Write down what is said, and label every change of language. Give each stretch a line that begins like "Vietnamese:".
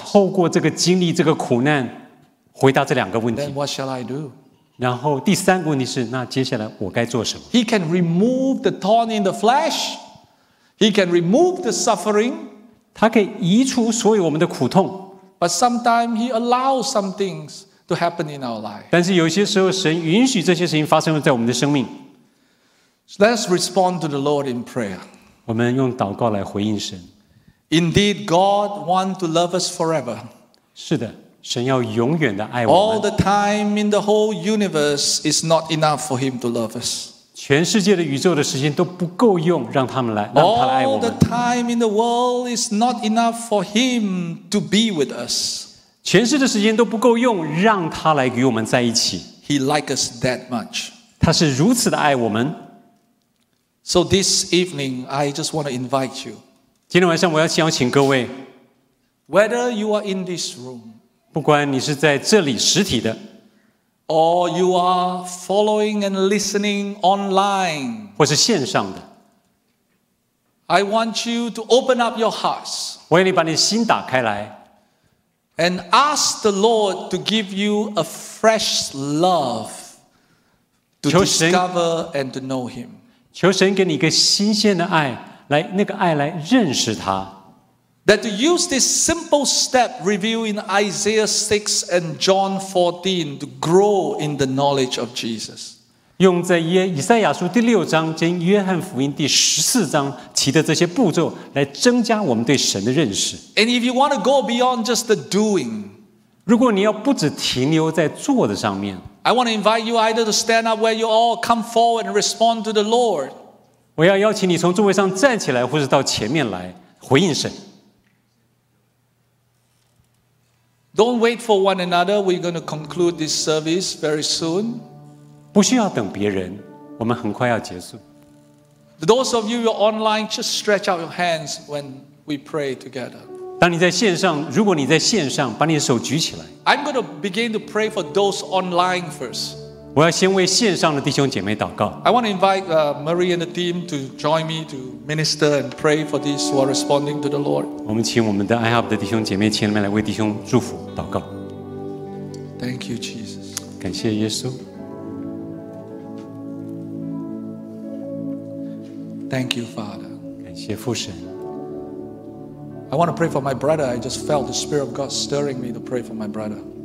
Chinese: 透过这个经历这个苦难，回答这两个问题。
English: Then what shall I do？
Chinese: 然后第三个问题是，那接下来我该做什么
English: ？He can remove the thorn in the flesh. He can remove the suffering.
Chinese: 他可以移除所有我们的苦痛。
English: But sometimes he allows some things to happen in our life.
Chinese: 但是有些时候，神允许这些事情发生在我们的生命。
English: Let's respond to the Lord in prayer.
Chinese: 我们用祷告来回应神。
English: Indeed, God wants to love us forever.
Chinese: 是的，神要永远的爱我们。
English: All the time in the whole universe is not enough for Him to love us.
Chinese: 全世界的宇宙的时间都不够用，让他们来让他爱我们。
English: All the time in the world is not enough for him to be with us.
Chinese: 全世界的时间都不够用，让他来与我们在一起。
English: He likes us that much.
Chinese: 他是如此的爱我们。
English: So this evening, I just want to invite you.
Chinese: 今天晚上我要邀请各位。
English: Whether you are in this room,
Chinese: 不管你是在这里实体的。
English: Or you are following and listening online.
Chinese: 或是线上的。
English: I want you to open up your hearts.
Chinese: 我要你把你心打开来。
English: And ask the Lord to give you a fresh love to discover and to know Him.
Chinese: 求神给你一个新鲜的爱，来那个爱来认识他。
English: That to use this simple step revealed in Isaiah 6 and John 14 to grow in the knowledge of Jesus.
Chinese: 用在以赛亚书第六章兼约翰福音第十四章提的这些步骤来增加我们对神的认识。
English: And if you want to go beyond just the doing,
Chinese: 如果你要不只停留在做的上面
English: ，I want to invite you either to stand up where you all come forward and respond to the Lord.
Chinese: 我要邀请你从座位上站起来，或是到前面来回应神。
English: Don't wait for one another. We're going to conclude this service very soon.
Chinese: 不需要等别人，我们很快要结束。
English: Those of you who are online, just stretch out your hands when we pray together.
Chinese: 当你在线上，如果你在线上，把你的手举起来。
English: I'm going to begin to pray for those online first.
Chinese: 我要先为线上的弟兄姐妹祷告。
English: I want to invite Marie and the team to join me to minister and pray for these who are responding to the Lord.
Chinese: 我们请我们的 iHub 的弟兄姐妹前面来为弟兄祝福祷告。
English: Thank you, Jesus.
Chinese: 感谢耶稣。
English: Thank you, Father.
Chinese: 感谢父神。
English: I want to pray for my brother. I just felt the Spirit of God stirring me to pray for my brother.